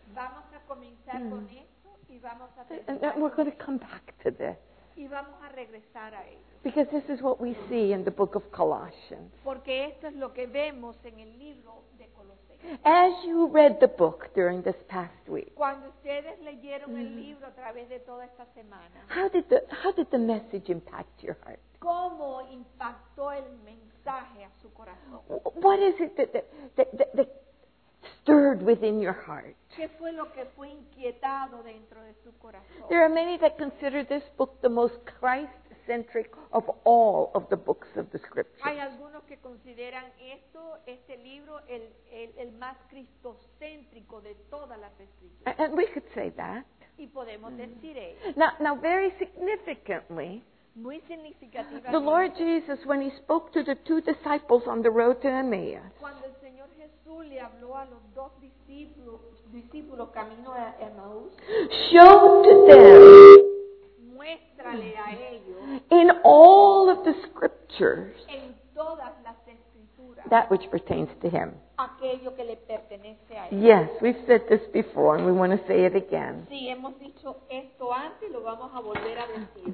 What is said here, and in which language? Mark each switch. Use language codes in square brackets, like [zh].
[es] Vamos a comenzar con esto y vamos a terminar. [en] And we're going to come back to this. [es] Y vamos a regresar a esto. [en] Because this is what we see in the book of Colossians. [es] Porque esto es lo que vemos en el libro de Colosenses. [en] As you read the book during this past week. [es] Cuando ustedes leyeron el libro a través de toda esta semana. [en] How did the message impact your heart? [es] ¿Cómo impactó el mensaje a su corazón? [en] What is it that stirred within your heart? [es] ¿Qué fue lo que fue inquietado dentro de su corazón? [en] There are many that consider this book the most Christ centric of all of the books of the scriptures. [es] Hay algunos que consideran esto, este libro, el más cristocéntrico de todas las escrituras. [en] And we could say that. [es] Y podemos decir eso. [en] Now, very significantly, [es] muy significativamente, [en] the Lord Jesus, when he spoke to the two disciples on the road to Emmaus, [es] cuando el Señor Jesús le habló a los dos discípulos camino a Emmaus, [en] showed to them in all of the scriptures [es] en todas las escrituras, [en] that which pertains to him. [es] Aquello que le pertenece a él. [en] Yes, we've said this before and we want to say it again. [es] Sí, hemos dicho esto antes, lo vamos a volver a decir.